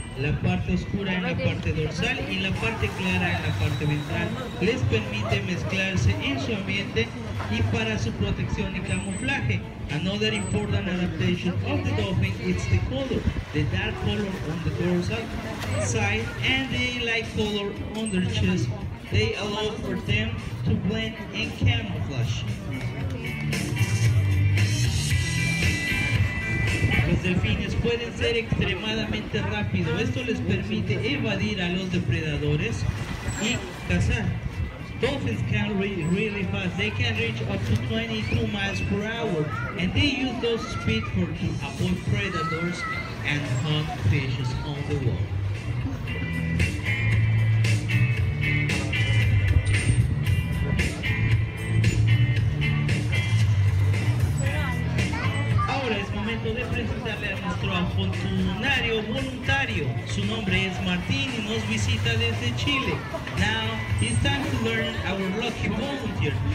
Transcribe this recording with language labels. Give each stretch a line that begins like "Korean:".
Spanish: la parte oscura en la parte dorsal y la parte clara en la parte ventral les permite mezclarse en su ambiente y para su protección y camuflaje.
English: Another important adaptation of the dolphin is the color, the dark color on the dorsal side and the light color on their chest. They allow for them to blend in camouflage.
Spanish: Los delfines pueden ser extremadamente rápidos. Esto les permite evadir a los depredadores y cazar.
English: Dolphins can read really fast. They can reach up to 22 miles per hour. And they use those speed for to avoid predators and hunt fishes on the water.
Spanish: De presentarle a nuestro afortunario voluntario. Su nombre es Martín y nos visita desde Chile.
English: Now it's time to learn our lucky volunteer.